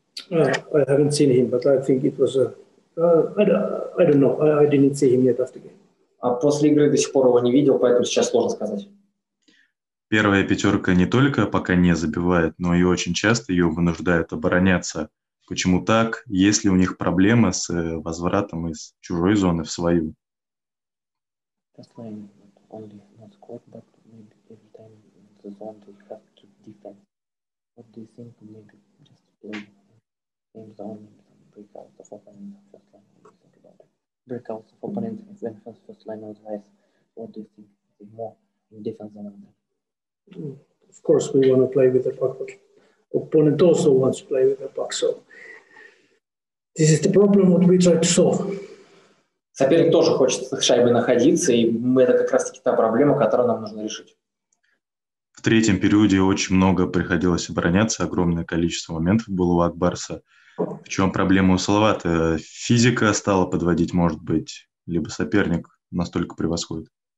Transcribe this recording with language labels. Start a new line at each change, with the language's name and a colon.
English: I haven't seen him, but I think it was a... I don't know, I didn't see him yet after the game.
Russian: А после игры до сих пор его не видел, поэтому сейчас сложно сказать. Первая пятерка не только пока не забивает, но и очень часто ее вынуждают обороняться. Почему так? Есть ли у них проблемы с возвратом из чужой зоны в свою?
English: Just playing only not scored, but maybe every time in the zone they have to defend. What do you think? Maybe just play games down and break out of opponent first line. What do you think about it? Break out of opponent when first line was high. What do you think? More in defense than that. Of course, we want to play with the puck, but opponent also wants to play with the puck. So this is the problem what we try to solve.
Russian: Соперник тоже хочет с шайбой находиться, и это как раз-таки та проблема, которую нам нужно решить. В третьем периоде очень много приходилось обороняться, огромное количество моментов было у Акбарса. В чем проблема у Салавата? Физика стала подводить, может быть, либо соперник настолько превосходит?